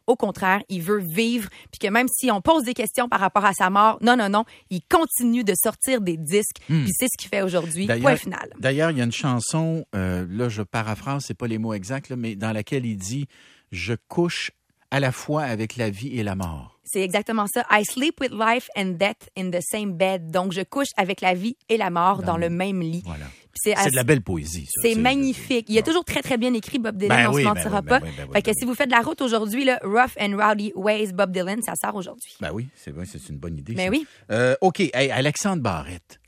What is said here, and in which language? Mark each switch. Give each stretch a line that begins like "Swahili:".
French: Au contraire, il veut vivre. Puis que même si on pose des questions par rapport à sa mort, non, il continue de sortir des disques. Puis c'est ce qu'il fait aujourd'hui. D'ailleurs, point final. D'ailleurs, il y a une chanson, là, je paraphrase, c'est pas les mots exacts, là, mais dans laquelle il dit « Je couche à la fois avec la vie et la mort ». C'est exactement ça.
English: I sleep with life and death in the same bed.
French: Donc, je couche avec la vie et la mort dans le même lit. Voilà. C'est de la belle poésie. Ça. C'est magnifique. Il a toujours très, très bien écrit Bob Dylan, on ne se mentira pas. Fait que si vous faites de la route aujourd'hui, là, Rough and Rowdy Ways, Bob Dylan, ça sort aujourd'hui. Ben oui, c'est une bonne idée. Ben oui. OK, hey, Alexandre Barrette.